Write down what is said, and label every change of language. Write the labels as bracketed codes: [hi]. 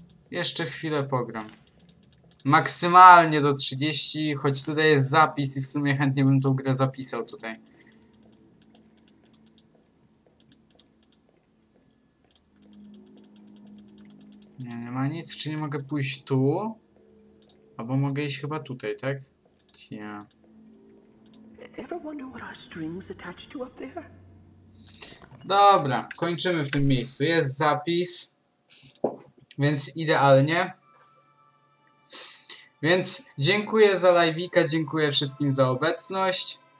[pl] Jeszcze chwilę pogram. Maksymalnie do 30, choć tutaj jest zapis i w sumie chętnie bym tą grę zapisał tutaj. Nie, nie ma nic, czy nie mogę pójść tu? Albo mogę iść chyba tutaj, tak? Ja. [en] Ever wonder what our strings attached to up there? [pl] Dobra, kończymy w tym miejscu. Jest zapis. Więc idealnie. Więc dziękuję za live'ika, dziękuję wszystkim za obecność.